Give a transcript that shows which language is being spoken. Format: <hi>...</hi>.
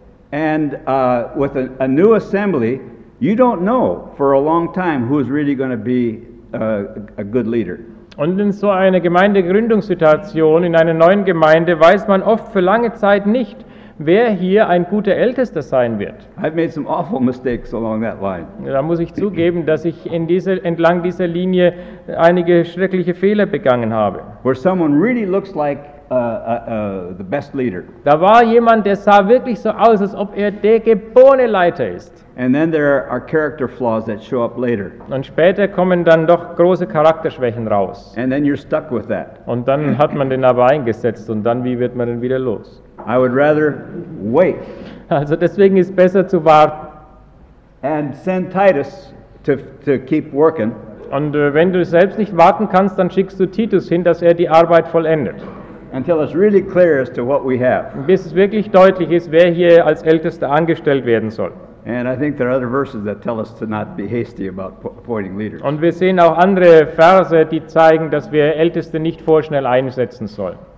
<en>And with a new assembly, you don't know for a long time who is really going to be a good leader.</en> <de>Und in so einer Gemeindegründungssituation, in einer neuen Gemeinde, weiß man oft für lange Zeit nicht, wer hier ein guter Ältester sein wird.</de> <en>I've made some awful mistakes along that line.</en> <de>Da muss ich zugeben, dass ich entlang dieser Linie einige schreckliche Fehler begangen habe.</de> <en>Where someone really looks like the best leader.</en> <de>Da war jemand, der sah wirklich so aus, als ob er der geborene Leiter ist.</de> <en>And then there are character flaws that show up later.</en> <de>Und später kommen dann doch große Charakterschwächen raus.</de> <en>And then you're stuck with that.</en> <de>Und dann hat man den aber eingesetzt und dann wie wird man denn wieder los?</de> <en>I would rather wait.</en> <de>Also deswegen ist besser zu warten.</de> <en>And send Titus to keep working.</en> <de>Und wenn du selbst nicht warten kannst, dann schickst du Titus hin, dass er die Arbeit vollendet.</de> <en>Until it's really clear as to what we have.</en> <de>Bis es wirklich deutlich ist, wer hier als Ältester angestellt werden soll.</de> <en>And I think there are other verses that tell us to not be hasty about appointing leaders.</en> <de>Und wir sehen auch andere Verse, die zeigen, dass wir Älteste nicht vorschnell einsetzen sollen.</de>